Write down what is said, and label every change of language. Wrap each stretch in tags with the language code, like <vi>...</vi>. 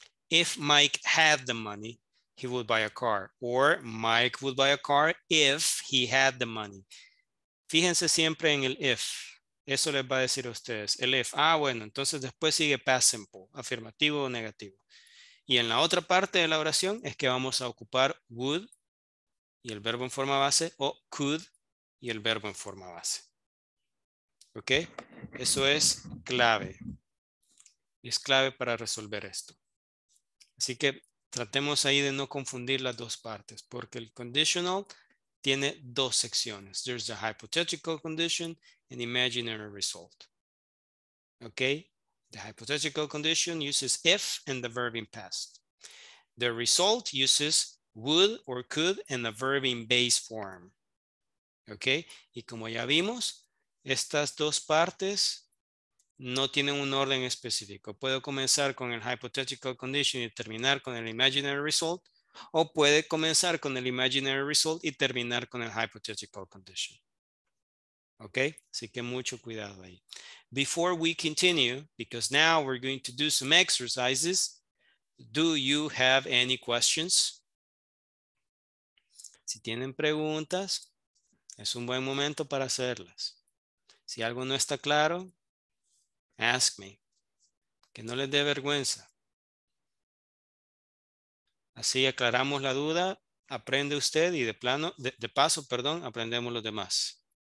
<en>If Mike had the money, he would buy a car. Or Mike would buy a car if he had the money.</en> <es>Fíjense siempre en el if. Eso les va a decir a ustedes, el if. Ah, bueno, entonces después sigue past simple, afirmativo o negativo. Y en la otra parte de la oración es que vamos a ocupar would y el verbo en forma base, o could y el verbo en forma base. ¿Ok? Eso es clave. Es clave para resolver esto. Así que tratemos ahí de no confundir las dos partes, porque el conditional tiene dos secciones.</es> <en>There's the hypothetical condition and imaginary result. Okay? The hypothetical condition uses if and the verb in past. The result uses would or could and the verb in base form. Okay?</en> <es>Y como ya vimos, estas dos partes no tienen un orden específico. Puedo comenzar con el hypothetical condition y terminar con el imaginary result. O puede comenzar con el imaginary result y terminar con el hypothetical condition. Okay? Así que mucho cuidado ahí.</es> <en>Before we continue, because now we're going to do some exercises, do you have any questions?</en> <es>Si tienen preguntas, es un buen momento para hacerlas. Si algo no está claro,</es> <en>ask me.</en> <es>Que no les dé vergüenza. Así aclaramos la duda, aprende usted y de paso, aprendemos los demás.</es>